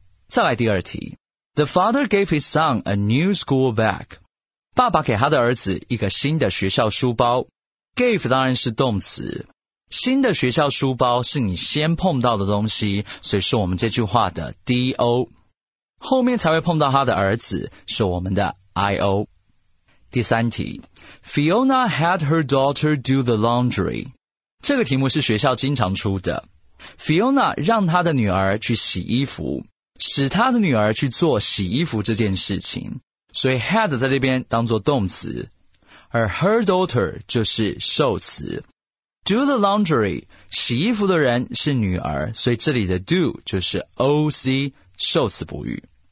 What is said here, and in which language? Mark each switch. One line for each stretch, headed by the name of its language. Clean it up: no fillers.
Chinese: 再来第二题，
English: The father gave his son a new school bag。
Chinese: 爸爸给他的儿子一个新的学校书包。Gave 当然是动词，新的学校书包是你先碰到的东西，所以是我们这句话的 DO， 后面才会碰到他的儿子，是我们的 IO。第三题
English: ，Fiona had her daughter do the laundry。
Chinese: 这个题目是学校经常出的。 Fiona 让她的女儿去洗衣服，使她的女儿去做洗衣服这件事情，所以 had 在这边当作动词，而
English: her daughter
Chinese: 就是受词。
English: Do the laundry
Chinese: 洗衣服的人是女儿，所以这里的 do 就是 OC 受词补语。